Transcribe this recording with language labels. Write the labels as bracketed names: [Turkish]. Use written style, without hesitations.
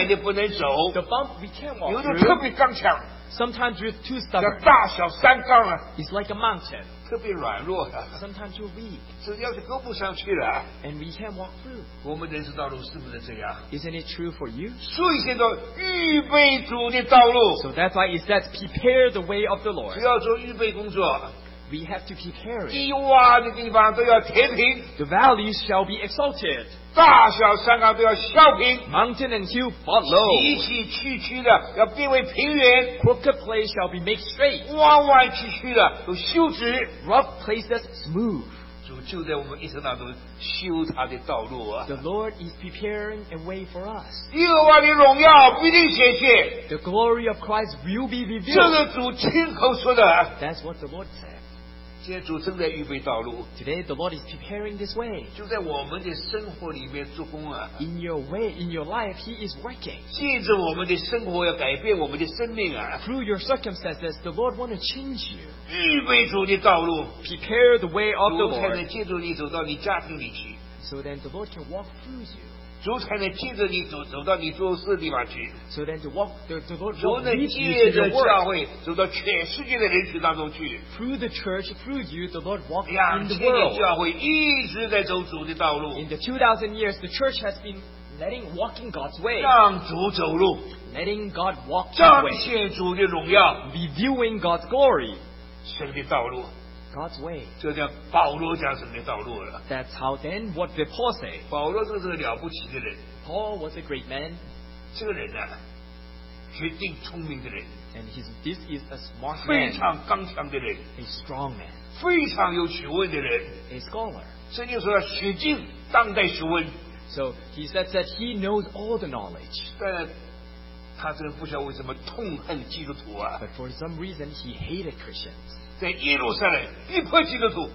[English] The bump we can't walk through. Sometimes we're too stubborn. It's like a mountain. Sometimes you're weak. And we can't walk through. [Chinese] 我们人生道路是不是这样 [English] Isn't it true for you? [Chinese] 所以现在预备主的道路 [English] So that's why it says prepare the way of the Lord. [Chinese] 要做预备工作 [English] We have to prepare it. [Chinese] 低洼的地方都要填平 [English] The valleys shall be exalted. [Chinese] 大小山岗都要削平 [English] Mountain and hill fall low. [Chinese] 崎崎岖岖的要变为平原 [English] Crooked places shall be made straight. [Chinese] 弯弯曲曲的都修直 [English] Rough places smooth. [Chinese] 就在我们一生当中修他的道路啊 [English] The Lord is preparing a way for us. [Chinese] 耶和华的荣耀必定显现 [English] The glory of Christ will be revealed. [Chinese] 这是主亲口说的 [English] That's what the Lord said. [Chinese] 今天主正在预备道路 [English] Today the Lord is preparing this way. [Chinese] 就在我们的生活里面做工啊 [English] In your way, in your life, He is working. [Chinese] 借着我们的生活要改变我们的生命啊 [English] Through your circumstances, the Lord wants to change you. [Chinese] 预备主的道路 [English] prepare the way of the Lord [Chinese] 主才能借助你走到你家庭里去 [English] so then the Lord can walk through you [Chinese] 主才能借着你走到你做事的地方去 [English] so then the Lord [Chinese] 主能借着教会走到全世界的人群当中去 [English] through the church through you the Lord walk in the world [Chinese] 两千年教会一直在走主的道路 [English] in the 2000 years the church has been letting walking God's way [Chinese] 让主走路 [English] letting God walk that way [Chinese] 彰显主的荣耀 [English] reviewing God's glory [Chinese] 神的道路。 [English] God's way. [Chinese] 这叫保罗讲神的道路了。 [English] That's how then what did Paul say? [Chinese] 保罗这是个了不起的人。 [English] Paul was a great man. [Chinese] 这个人呢、啊，决定聪明的人。 [English] And he's this is a smart man. [Chinese] 非常刚强的人。 [English] A strong man. [Chinese] 非常有学问的人。 [English] A scholar. [Chinese] 圣经说学尽当代学问。 [English] So he said that he knows all the knowledge. [Chinese] 但他真的不知道为什么痛恨基督徒啊。 [English] But for some reason he hated Christians. [Chinese] 在耶路撒冷逼迫基督徒